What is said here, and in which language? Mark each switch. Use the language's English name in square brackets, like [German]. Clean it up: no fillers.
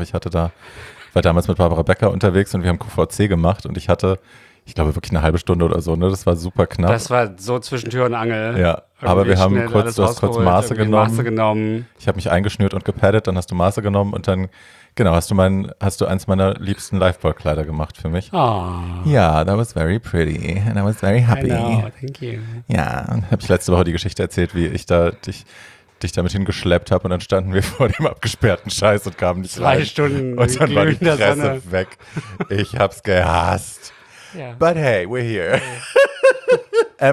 [German] Ich hatte da, war damals mit Barbara Becker unterwegs und wir haben QVC gemacht und ich hatte, ich glaube wirklich eine halbe Stunde oder so, ne? Das war super knapp. Das war so zwischen Tür und Angel. Ja, aber wir haben kurz, du hast kurz Maße genommen. Maße genommen. Ich habe mich eingeschnürt und gepaddet, dann hast du Maße genommen und dann, genau, hast du eins meiner liebsten Lifeboy-Kleider gemacht für mich. Oh. Ja, [English] that was very pretty and I was very happy. I know, thank you. [German] Ja, habe ich letzte Woche die Geschichte erzählt, wie ich da dich damit hingeschleppt habe und dann standen wir vor dem abgesperrten Scheiß und kamen nicht Zwei rein. Zwei Stunden. Und dann war die Presse weg. Ich hab's gehasst. [English] Yeah. But hey, we're here. Yeah.